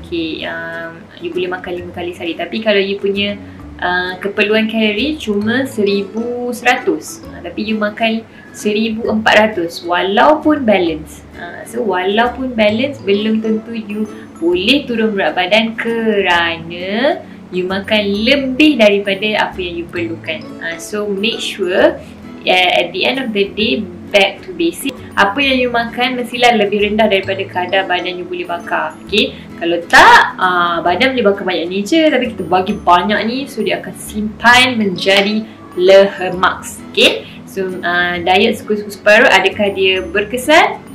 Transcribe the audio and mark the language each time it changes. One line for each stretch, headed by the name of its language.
Malay: Okay, you boleh makan 5 kali sehari. Tapi kalau you punya keperluan kalori cuma 1100, tapi you makan 1400, walaupun balance. So walaupun balance, belum tentu you boleh turun berat badan kerana you makan lebih daripada apa yang you perlukan.
English: So make sure at the end of the day, back to basic.
Malay: Apa yang you makan mestilah lebih rendah daripada kadar badan you boleh bakar. Okay? Kalau tak, badan boleh bakar banyak ni je, tapi kita bagi banyak ni, so dia akan simpan menjadi lemak. Okay? So diet suku-suku separuh, adakah dia berkesan?